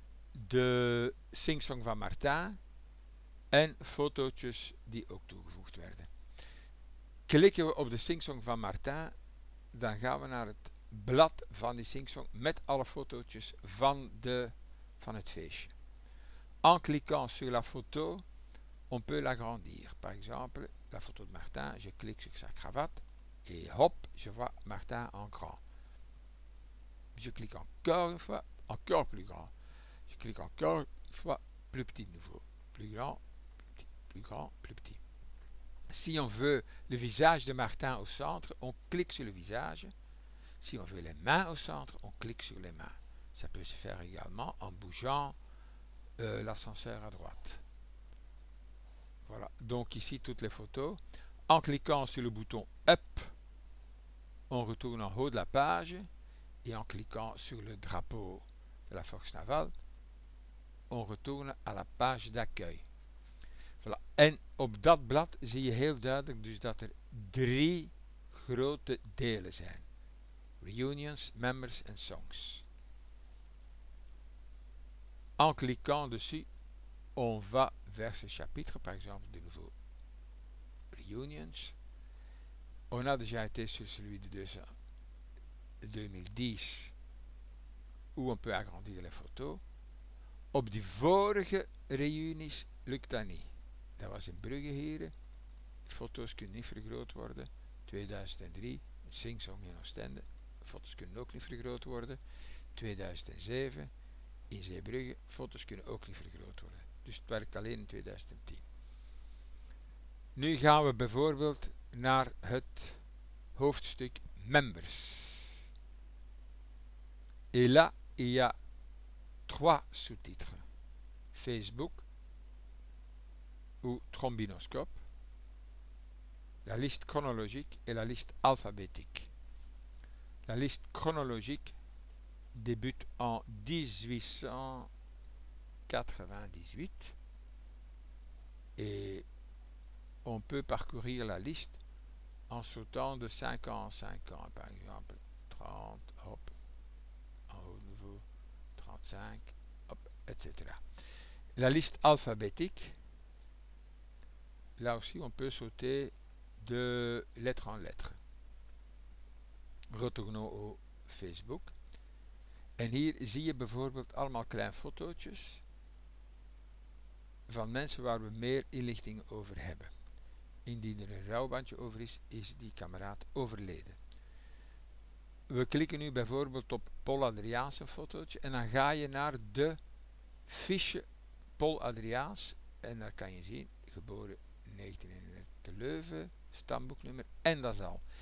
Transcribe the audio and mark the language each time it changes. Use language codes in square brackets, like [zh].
[nl] De singsong van Marta en fotootjes die ook toegevoegd werden. Klikken we op de singsong van Marta, dan gaan we naar het blad van die singsong met alle fotootjes van het feestje. [fr] En cliquant sur la photo, on peut l'agrandir. Par exemple, la photo de Marta, je clique sur sa cravate et hop, je vois Marta en grand. Je clique encore une fois, encore plus grand. Je clique encore une fois, plus petit de nouveau. Plus grand, plus grand, plus petit. Si on veut le visage de Martin au centre, on clique sur le visage. Si on veut les mains au centre, on clique sur les mains. Ça peut se faire également en bougeant l'ascenseur à droite. Voilà, donc ici toutes les photos. En cliquant sur le bouton Up, on retourne en haut de la page. Et en cliquant sur le drapeau de la Force Navale, on retourne à la page d'accueil. Voilà. [nl] En op dat blad zie je heel duidelijk dus dat er drie grote delen zijn. Reunions, members en songs. [fr] En cliquant dessus, on va vers ce chapitre, par exemple, de nouveau Reunions. On a déjà été sur celui de 2010, où on peut agrandir les photos. [nl] Op die vorige reunies lukt dat niet. Dat was in Brugge hier. Foto's kunnen niet vergroot worden. 2003, singsong in Oostende. Foto's kunnen ook niet vergroot worden. 2007, in Zeebrugge. Foto's kunnen ook niet vergroot worden. Dus het werkt alleen in 2010. Nu gaan we bijvoorbeeld naar het hoofdstuk Members. [fr] Et là, il y a trois sous-titres. Facebook. Trombinoscope, la liste chronologique et la liste alphabétique. La liste chronologique débute en 1898 et on peut parcourir la liste en sautant de 5 ans en 5 ans, par exemple 30, hop, en haut nouveau, 35, hop, etc. La liste alphabétique. Là aussi, on peut sauter de lettre en lettre. Retournons au Facebook. [nl] En hier zie je bijvoorbeeld allemaal kleine fotootjes van mensen waar we meer inlichting over hebben. Indien er een rouwbandje over is, is die kameraad overleden. We klikken nu bijvoorbeeld op Paul Adriaans een fotootje en dan ga je naar de fiche Paul Adriaans en daar kan je zien, geboren 1901 Leuven, stamboeknummer, en dat is al.